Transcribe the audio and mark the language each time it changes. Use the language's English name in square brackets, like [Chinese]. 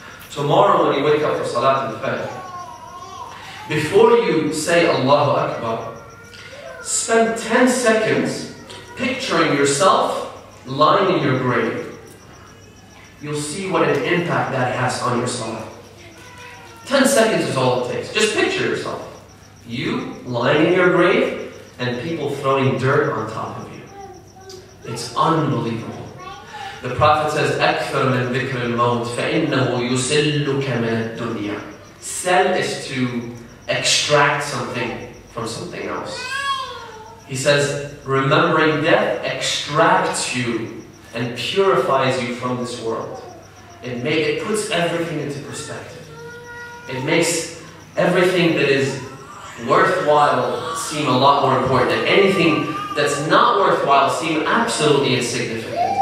[English] Tomorrow when you wake up for Salat al-Fajr, before you say Allahu Akbar, spend 10 seconds picturing yourself lying in your grave. You'll see what an impact that has on your salah. 10 seconds is all it takes. Just picture yourself. You lying in your grave and people throwing dirt on top of you. It's unbelievable. [Arabic] The Prophet says, أَكْفَرْ مِنْ ذِكْرِ الْمَوْتِ فَإِنَّهُ يُسِلُّكَ مِنْ الدُّنْيَا. [English] Sell is to extract something from something else. He says, remembering death extracts you and purifies you from this world. It puts everything into perspective. It makes everything that is worthwhile seem a lot more important, and anything that's not worthwhile seem absolutely insignificant.